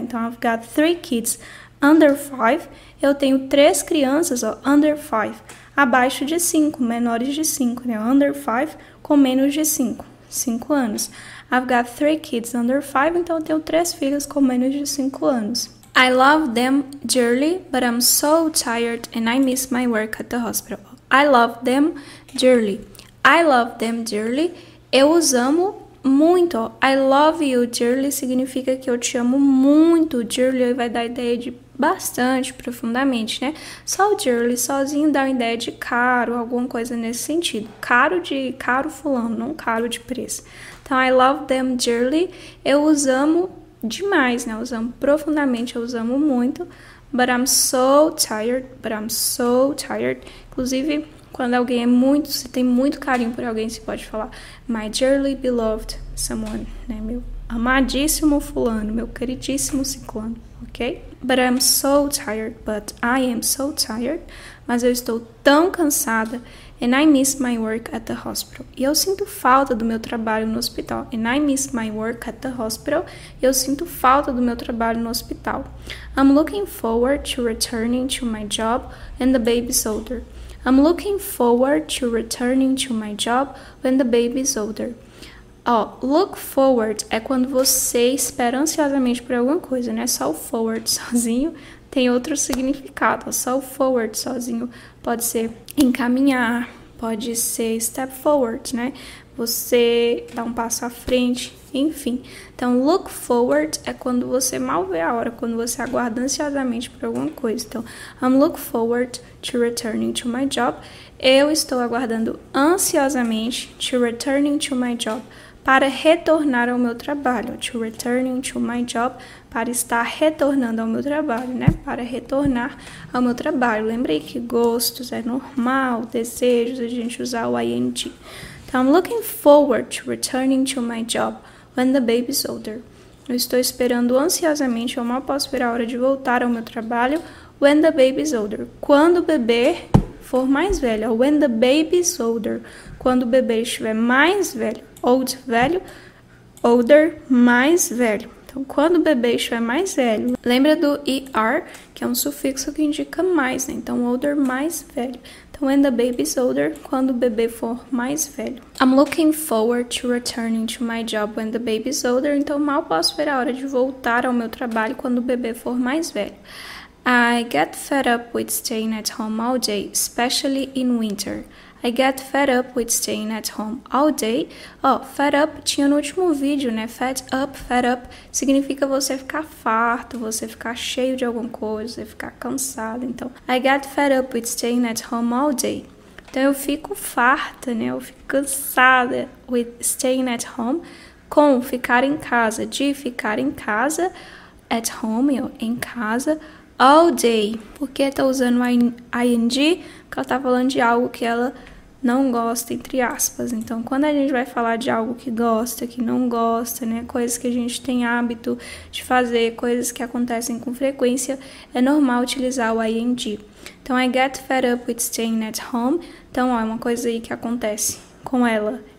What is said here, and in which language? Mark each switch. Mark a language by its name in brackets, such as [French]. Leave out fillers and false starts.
[English] Então, I've got three kids under five. [Portuguese] Eu tenho três crianças, [English] under five. [Portuguese] Abaixo de 5, menores de 5, né? [English] Under 5, [Portuguese] com menos de 5, 5 anos. [English] I've got 3 kids under 5, [Portuguese] então eu tenho 3 filhos com menos de 5 anos. [English] I love them dearly, but I'm so tired and I miss my work at the hospital. I love them dearly. I love them dearly. [Portuguese] Eu os amo muito. [English] I love you dearly [Portuguese] significa que eu te amo muito. Dearly vai dar ideia de bastante, profundamente, né? Só o dearly sozinho dá uma ideia de caro, alguma coisa nesse sentido. Caro de caro fulano, não caro de preço. Então, [English] I love them dearly. [Portuguese] Eu os amo demais, né? Eu os amo profundamente, eu os amo muito. [English] But I'm so tired, but I'm so tired. [Portuguese] Inclusive, quando alguém é muito, se tem muito carinho por alguém, se pode falar [English] my dearly beloved someone, [Portuguese] né? Meu amadíssimo fulano, meu queridíssimo ciclano, ok? [English] But I'm so tired, but I am so tired. [Portuguese] Mas eu estou tão cansada. [English] And I miss my work at the hospital. [Portuguese] E eu sinto falta do meu trabalho no hospital. [English] And I miss my work at the hospital. [Portuguese] Eu sinto falta do meu trabalho no hospital. [English] I'm looking forward to returning to my job when the baby's older. I'm looking forward to returning to my job when the baby's older. [Portuguese] Look forward é quando você espera ansiosamente por alguma coisa, né? Só o forward sozinho tem outro significado. Só o forward sozinho pode ser encaminhar, pode ser step forward, né? Você dá um passo à frente, enfim. Então, look forward é quando você mal vê a hora, quando você aguarda ansiosamente por alguma coisa. [English] Então, I'm look forward to returning to my job. [Portuguese] Eu estou aguardando ansiosamente [English] to returning to my job. [Portuguese] para retornar ao meu trabalho. [English] To return to my job, [Portuguese] para estar retornando ao meu trabalho, né? Para retornar ao meu trabalho. Lembrei que gostos é normal, desejos, a gente usar o ing. [English] Então, I'm looking forward to returning to my job when the baby's older. [Portuguese] Eu estou esperando ansiosamente, eu mal posso esperar a hora de voltar ao meu trabalho, [English] when the baby's older. [Portuguese] Quando o bebê for mais velho, [English] when the baby's older. [Portuguese] Quando o bebê estiver mais velho, old, velho, older, mais velho. Então, quando o bebê estiver mais velho, lembra do ER, que é um sufixo que indica mais, né? Então, older, mais velho. Então, [English] when the baby's older, [Portuguese] quando o bebê for mais velho. [English] I'm looking forward to returning to my job when the baby's older. [Portuguese] Então, mal posso ver a hora de voltar ao meu trabalho quando o bebê for mais velho. [English] I get fed up with staying at home all day, especially in winter. I get fed up with staying at home all day. [Portuguese] Ó, fed up tinha no último vídeo, né? Fed up significa você ficar farto, você ficar cheio de alguma coisa, você ficar cansado. [English] Então, I get fed up with staying at home all day. [Portuguese] Então, eu fico farta, né? Eu fico cansada [English] with staying at home. [Portuguese] Com ficar em casa, de ficar em casa, at home, ó, em casa, all day. Por que tá usando ing? Porque ela tá falando de algo que ela não gosta, entre aspas. Então, quando a gente vai falar de algo que gosta, que não gosta, né? Coisas que a gente tem hábito de fazer, coisas que acontecem com frequência, é normal utilizar o ing. [English] Então, I get fed up with staying at home. [Portuguese] Então, ó, é uma coisa aí que acontece com ela.